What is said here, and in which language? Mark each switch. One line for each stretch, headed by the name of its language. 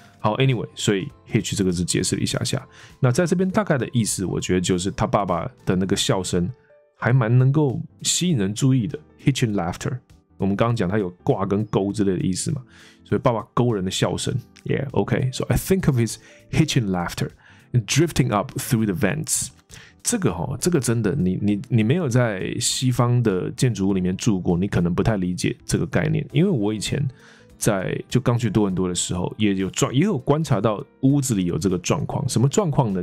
Chinese: 好 ，anyway， 所以 hitch 这个字解释了一下下。那在这边大概的意思，我觉得就是他爸爸的那个笑声还蛮能够吸引人注意的 ，hitching laughter。我们刚刚讲他有挂跟勾之类的意思嘛，所以爸爸勾人的笑声 ，
English: Yeah, OK. So I think of his hitching laughter, drifting up through the vents.
Chinese: 这个哈、哦，这个真的，你没有在西方的建筑物里面住过，你可能不太理解这个概念。因为我以前在就刚去多伦多的时候，也有观察到屋子里有这个状况。什么状况呢？